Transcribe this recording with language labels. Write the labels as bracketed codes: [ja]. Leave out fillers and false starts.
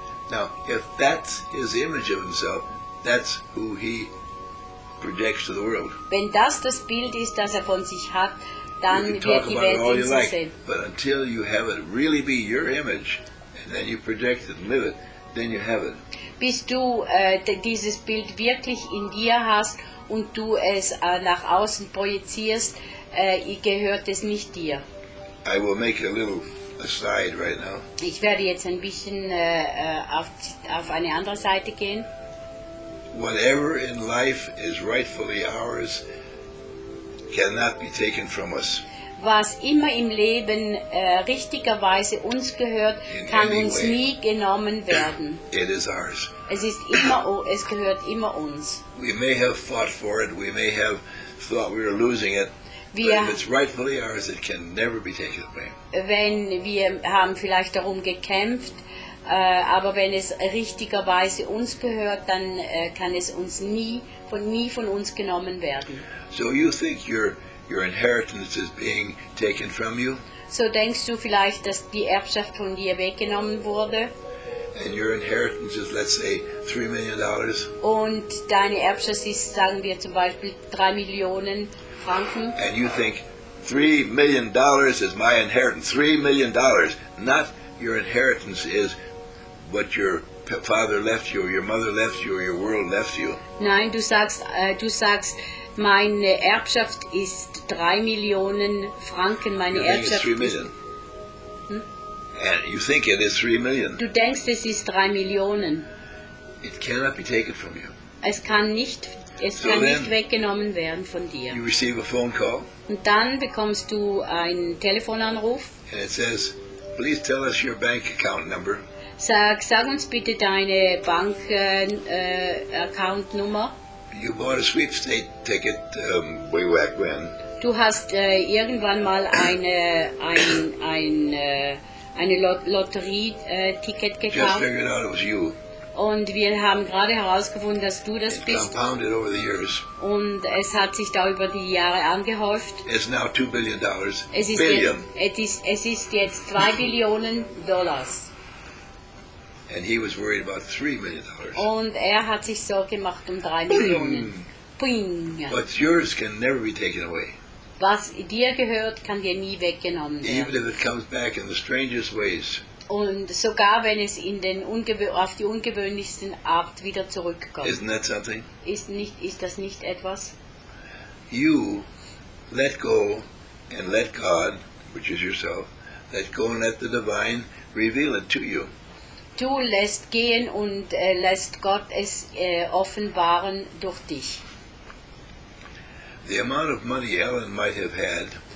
[en] Now, if that's his image of himself, that's who he projects to the world. [de] Wenn das das Bild ist, das er von sich hat, dann wird die Welt ihn so sehen. [en] But until you have it really be your image, and then you project it and live it, then you have it. [de] Bis du dieses Bild wirklich in dir hast und du es nach außen projizierst, gehört es nicht dir. [en] I will make a little aside right now. [de] Ich werde jetzt ein bisschen auf eine andere Seite gehen. [en] Whatever in life is rightfully ours cannot be taken from us. [de] Was immer im Leben richtigerweise uns gehört, kann uns nie genommen werden. [en] It is ours. [de] Es ist immer, es gehört immer uns. [en] We may have fought for it, we may have thought we were losing it, but if it's rightfully ours, it can never be taken away. [de] Wenn wir haben vielleicht darum gekämpft, aber wenn es richtigerweise uns gehört, dann kann es uns nie von uns genommen werden. [en] So you think your inheritance is being taken from you? [de] So denkst du vielleicht, dass die Erbschaft von dir weggenommen wurde? [en] And your inheritance is, let's say, $3 million. [de] Und deine Erbschaft ist, sagen wir zum Beispiel, 3 Millionen Franken. [en] And you think $3 million is my inheritance? $3 million, not your inheritance is what your father left you, or your mother left you, or your world left you. [de] Nein, du sagst, meine Erbschaft ist 3 Millionen Franken. Meine Erbschaft ist. [en] And you think it is 3 million. [de] Du denkst, es ist 3 Millionen. [en] It cannot be taken from you. [de] Es kann nicht weggenommen werden von dir. [en] You receive a phone call. [de] Und dann bekommst du einen Telefonanruf. [en] and it says, please tell us your bank account number. [de] Sag uns bitte deine Bank Account Nummer. [en] You bought a sweepstake ticket way back when. [de] Du hast irgendwann mal eine Lotterie-Ticket gekauft. [en] Just figured out it was you. [de] Und wir haben gerade herausgefunden, dass du das bist. [en] Compounded over the years. [de] Und es hat sich da über die Jahre angehäuft. [en] It's now $2 billion. [de] Es ist jetzt 2 Billionen Dollar. [en] And he was worried about $3 million. [de] Und hat sich Sorgen gemacht um 3 Millionen. [en] But yours can never be taken away. [de] Was dir gehört, kann dir nie weggenommen werden. [en] Even if it comes back in the strangest ways. [de] Und sogar wenn es in den auf die ungewöhnlichsten Art wieder zurückkommt. [en] Isn't that something? [de] Ist das nicht etwas? [en] You let go and let God, which is yourself, let go and let the divine reveal it to you. [de] Du lässt gehen und lässt Gott es offenbaren durch dich. [en] The amount of money Ellen might have had.